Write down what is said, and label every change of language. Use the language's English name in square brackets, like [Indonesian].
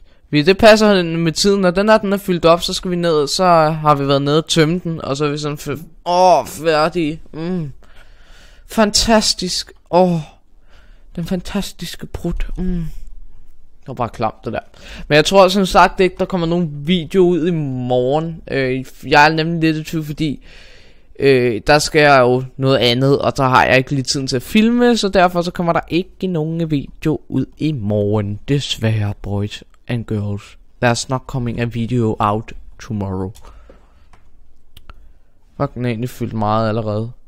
[Danish] Det passer med tiden, når den her den er fyldt op, så skal vi ned, så har vi været nede og tømme den, og så er vi sådan, færdig, fantastisk, den fantastiske brud, det var bare klamt det der. Men jeg tror som sagt ikke, der kommer nogen video ud i morgen, jeg er nemlig lidt i tvivl, fordi der skal jeg jo noget andet, og der har jeg ikke lige tiden til at filme, så derfor så kommer der ikke nogen video ud i morgen, desværre, boys. [English] And girls, there's not coming a video out tomorrow. [Danish] Fuck, den er egentlig fyldt meget allerede.